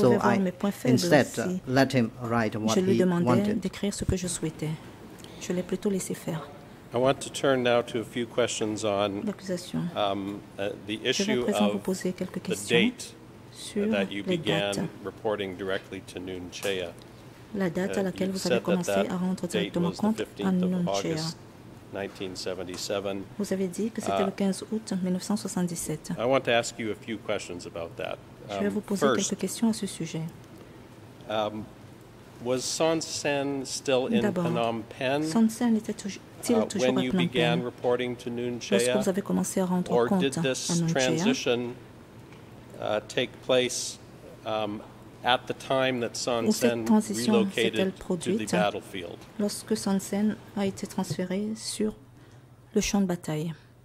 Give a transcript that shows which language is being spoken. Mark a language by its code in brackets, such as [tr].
[en] So I instead let him write what [fr] je lui demandais [en] he wanted. [fr] D'écrire ce que je souhaitais. Je l'ai plutôt laissé faire. [en] I want to turn now to a few questions on [fr] l'accusation. [en] The issue [fr] je [en] of the date that you began reporting directly to Nguyen Chea. [fr] La date à laquelle vous avez commencé à rendre directement compte à Nguyen Chea. [en] 1977. [fr] Vous avez dit que c'était le 15 août 1977. [en] I want to ask you a few questions about that. [fr] Je vais vous poser quelques questions à ce sujet. [en] Was Son Sen still in Phnom Penh? [fr] Son Sen était toujours à Phnom Penh? [en] When you began reporting to Nguyen Chea? [fr] Lorsque vous avez commencé à rendre compte à Nguyen Chea? [en] Or did this transition take place at the time that Son Sen relocated to the battlefield? [fr] Lorsque Son Sen a été transféré sur le champ de bataille.